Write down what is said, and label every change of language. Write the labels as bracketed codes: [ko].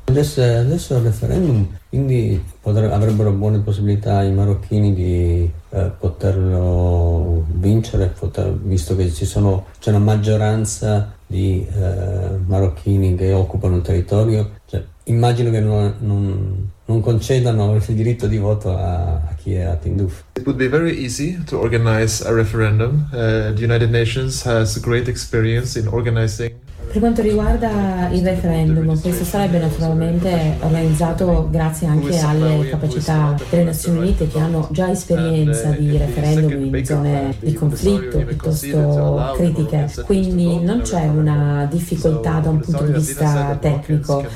[it] Adesso è il referendum, quindi avrebbero buone possibilità i marocchini di poterlo vincere, visto che c'è una maggioranza di marocchini che occupano il territorio. Cioè, immagino che non concedano il diritto di voto a chi è a Tindouf. [en] It would be very easy to organize a referendum. The United Nations has great experience in organizing. [it] Per quanto riguarda il referendum, questo sarebbe naturalmente organizzato grazie anche alle capacità delle Nazioni Unite, che hanno già esperienza di referendum in zone di conflitto piuttosto critiche, quindi non c'è una difficoltà da un punto di vista tecnico.